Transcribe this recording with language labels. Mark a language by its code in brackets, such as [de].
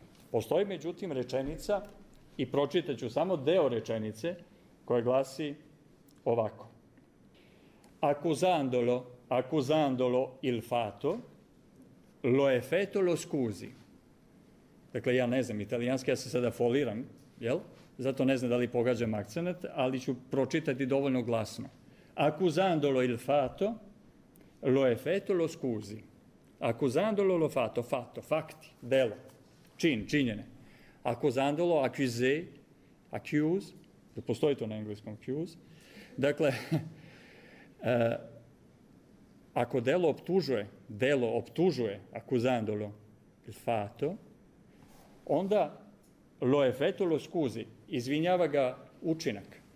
[sr] Postoji međutim rečenica, i pročitaću samo deo rečenice, koja glasi ovako. [it] Accusandolo, accusandolo il fato, lo effetto lo scusi. [sr] Dakle, ja ne znam italijanski, ja se sada foliram, jel? Zato ne znam da li pogađam akcenat, ali ću pročitati dovoljno glasno. [it] Accusandolo il fato, lo effetto lo scusi. Accusandolo lo fato, fatto, [sr] fakti, delo, čin, činjene. Accusandolo, accuse, accuse, da postoji to na engleskom accuse. Dakle, ako delo optužuje, [it] accusandolo il fato, [sr] onda [it] lo effetto lo scusi, [sr] izvinjava ga učinak.